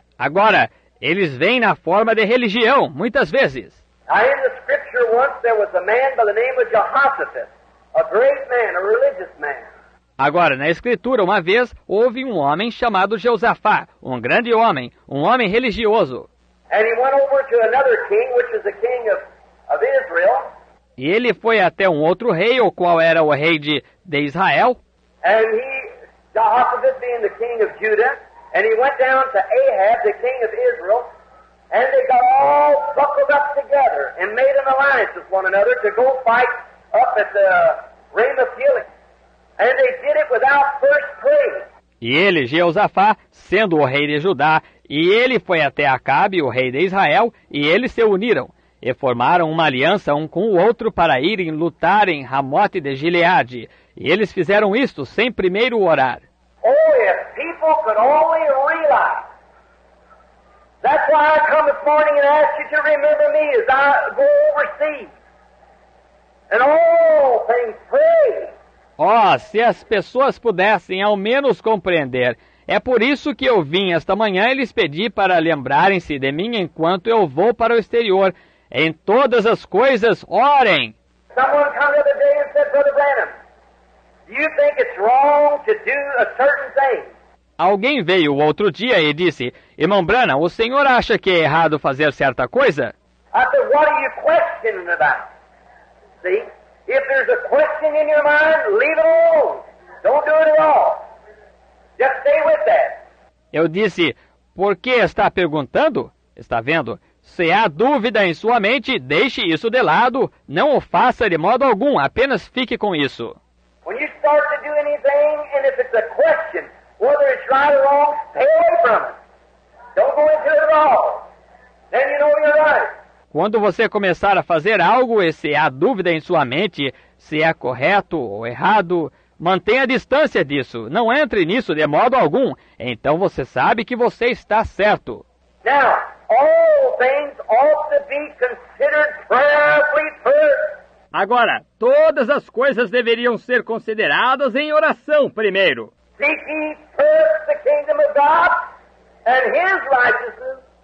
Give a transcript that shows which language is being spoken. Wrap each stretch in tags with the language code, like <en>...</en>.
<pt>Agora, eles vêm na forma de religião, muitas vezes.</pt> <en>Now, in the scripture once there was a man by the name of Jehoshaphat, a great man, a religious man.</en> <pt>Agora, na escritura, uma vez, houve um homem chamado Josafá, um grande homem, um homem religioso.</pt> <en>And he went over to another king, which is the king of Israel.</en> <pt>E ele foi até um outro rei, o qual era o rei de Israel.</pt> <en>And he, Jehoshaphat being the king of Judah, and he went down to Ahab, the king of Israel, and they got all buckled up together and made an alliance with one another to go fight up at the Ramoth-Gilead. And they did it without first praying.</en> <pt>E ele, Jeosafá, sendo o rei de Judá, e ele foi até Acabe, o rei de Israel, e eles se uniram, e formaram uma aliança um com o outro para irem lutar em Ramote de Gileade. E eles fizeram isto sem primeiro orar.</pt> <en>Oh, if people could only realize. That's why I come this morning and ask you to remember me as I go overseas. And all things pray.</en> <pt>Oh, se as pessoas pudessem ao menos compreender. É por isso que eu vim esta manhã e lhes pedi para lembrarem-se de mim enquanto eu vou para o exterior. Em todas as coisas, orem.</pt> <en>Someone came the other day and said, Brother Branham, do you think it's wrong to do a certain thing?</en> <pt>Alguém veio o outro dia e disse, Irmão Branham, o senhor acha que é errado fazer certa coisa?</pt> <en>I said, what are you questioning about? See? If there's a question in your mind, leave it alone. Don't do it at all. Just stay with that.</en> <pt>Eu disse, por que está perguntando? Está vendo? Se há dúvida em sua mente, deixe isso de lado. Não o faça de modo algum. Apenas fique com isso.</pt> <en>When you start to do anything, and if it's a question, whether it's right or wrong, stay away from it. Don't go into it at all. Then you know you're right.</en> <pt>Quando você começar a fazer algo e se há dúvida em sua mente, se é correto ou errado, mantenha a distância disso. Não entre nisso de modo algum. Então você sabe que você está certo.</pt> <en>Now, all things ought to be considered prayerfully first.</en> <pt>Agora, todas as coisas deveriam ser consideradas em oração primeiro.</pt> <en>Seek ye first the kingdom of God and his righteousness.</en>